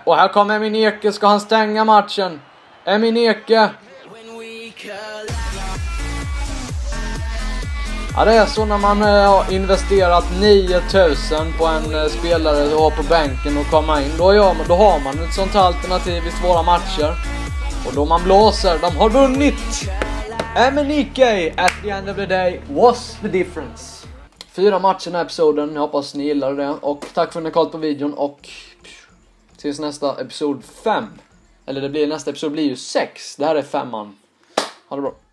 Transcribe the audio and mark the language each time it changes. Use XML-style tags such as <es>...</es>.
<sv>Och här kommer Emenike, ska han stänga matchen? Emenike. Ja, det är så när man har investerat 9000 på en spelare och på bänken och komma in. Då har man ett sånt alternativ i svåra matcher. Och då man blåser, de har vunnit.</sv> <en>Emenike, at the end of the day, what's the difference?</en> <sv>4 matcher i episoden, jag hoppas ni gillade det. Och tack för att ni har kollat på videon och tills nästa episod 5. Eller det blir nästa episod blir ju 6. Det här är 5:an. Ha det bra.</sv>